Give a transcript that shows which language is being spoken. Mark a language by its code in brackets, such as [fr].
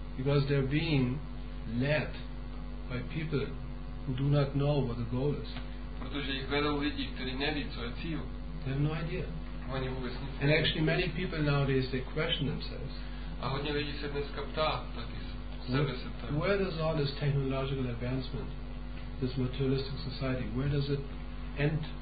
[en] Because they're being led by people who do not know what the goal is. [cs] Protože jich vedou lidi, kteří neví, co je cíl. [en] They have no idea. [cs] Oni vůbec nic neví. [en] And actually many people nowadays they question themselves. [cs] A hodně lidí se dneska ptá, taky sebe se ptá. [en] Where does all this technological advancement, this materialistic society, where does it end?